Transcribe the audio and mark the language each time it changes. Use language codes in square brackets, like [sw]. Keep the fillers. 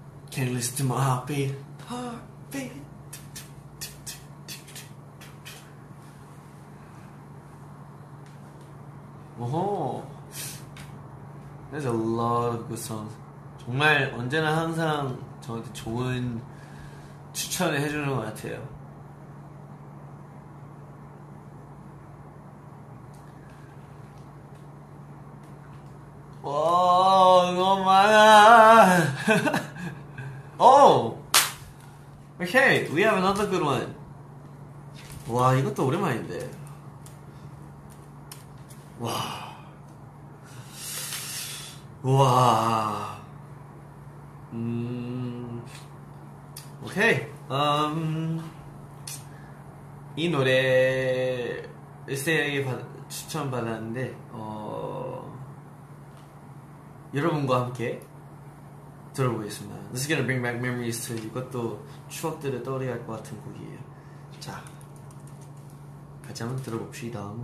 [en] Can you listen to my heartbeat? Heartbeat. 오호. There's a lot of good songs. [ko] 정말 언제나 항상 저한테 좋은 추천을 해주는 것 같아요. 와, 너무 많아. 오! [en] Okay, we have another good one. [ko] 와, 이것도 오랜만인데. 와. 와. 음. 오케이. 음. 이 노래 에세이에게 받- 추천받았는데 어 여러분과 함께 들어보겠습니다. [en] This is gonna bring back memories to [ko] 이것도 추억들을 떠올리게 할 것 같은 곡이에요. 자, 같이 한번 들어봅시다.